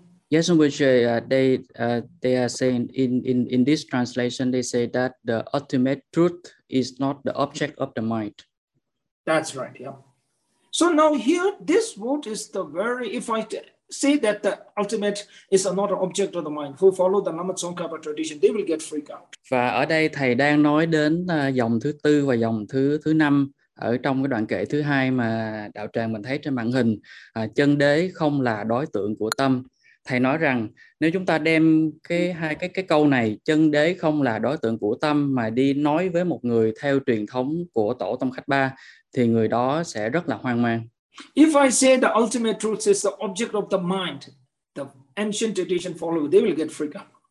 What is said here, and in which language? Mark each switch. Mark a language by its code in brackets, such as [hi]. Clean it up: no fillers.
[en] Yes, which they are saying in this translation, they say that the ultimate truth is not the object of the mind. That's right, yeah. So now here, this word is the very, if I say that the ultimate is not an object of the mind, who follow the Lama Tsongkhapa tradition, they will get freaked out. [vi] Và ở đây thầy đang nói đến dòng thứ tư và dòng thứ năm ở trong cái đoạn kệ thứ hai mà đạo tràng mình thấy trên màn hình. Chân đế không là đối tượng của tâm. Thầy nói rằng nếu chúng ta đem cái câu này chân đế không là đối tượng của tâm mà đi nói với một người theo truyền thống của tổ Tông Khách Ba thì người đó sẽ rất là hoang mang. [en] If I say the ultimate truth is the object of the mind, the ancient tradition follow, they will get freaked out.